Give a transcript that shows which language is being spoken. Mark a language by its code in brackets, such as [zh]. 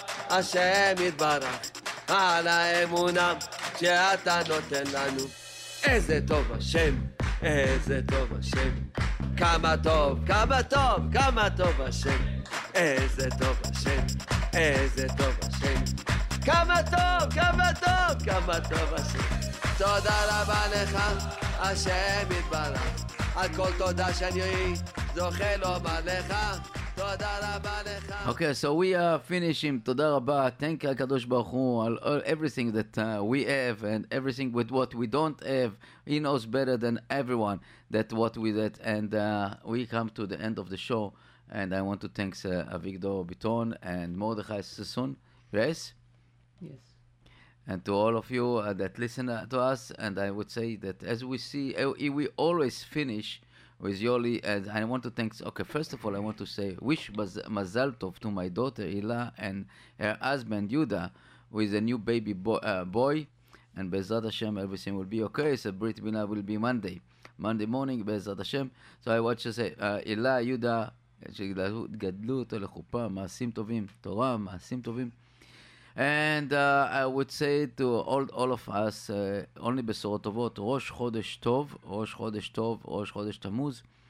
[he] השם יתברך על האמונה שאתה נותן לנו איזה טוב השם, איזה טוב השם כמה טוב, כמה טוב, כמה טוב השם איזה טוב השם, איזה טוב השם כמה טוב, כמה טוב, כמה טוב השם תודה רבה לך, השם יתברך על כל תודה שאני זוכה לומר לך תודה רבה לך [en] אוקיי, so we are finishing, [he] תודה רבה [en] thank you הקדוש ברוך הוא על everything that we have and everything with what we don't have he knows better than everyone that what we did and we come to the end of the show and I want to thank Avigdor Biton and Mordechai Sassoon yes yes and to all of you that listen to us and I would say that as we see we always finish with Yoely and I want to thank okay first of all I want to say wish mazal tov to my daughter Ila and her husband Yuda with a new baby boy and Bezrat Hashem everything will be okay so Brit Mila will be Monday morning, בעזרת השם. So I want to say, [he] אלה, יהודה, שגדלו אותו לחופה, מעשים טובים, תורה, מעשים טובים. [en] And I would say to all of us, only [he] בשורות טובות, ראש חודש טוב, ראש חודש טוב, ראש חודש תמוז.